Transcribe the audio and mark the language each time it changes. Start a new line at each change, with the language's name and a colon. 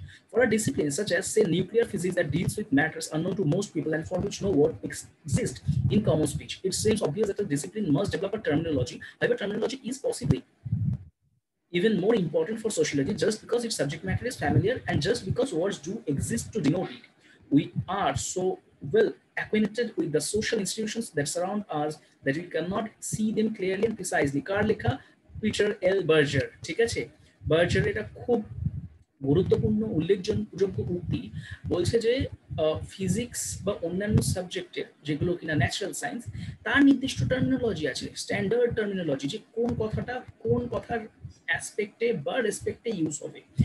English: For a discipline such as say nuclear physics that deals with matters unknown to most people and for which no word exist in common speech, it seems obvious that discipline must develop a terminology, how terminology is possible even more important for sociology just because its subject matter is familiar and just because words do exist to denote it. We are so well acquainted with the social institutions that surround us that we cannot see them clearly and precisely.
Bangla: কার লেখা? Peter এল Berger, ঠিক আছে। Berger এটা খুব গুরুত্বপূর্ণ উল্লেখযোগ্য উক্তি বলছে যে ফিজিক্স বা অন্যান্য সাবজেক্টের যেগুলো কিনা ন্যাচারাল সায়েন্স তার নির্দিষ্ট টার্মিনোলজি আছে, স্ট্যান্ডার্ড টার্মিনোলজি, যে কোন কথাটা কোন কথার অ্যাসপেক্টে বা রেসপেক্টে ইউজ হবে।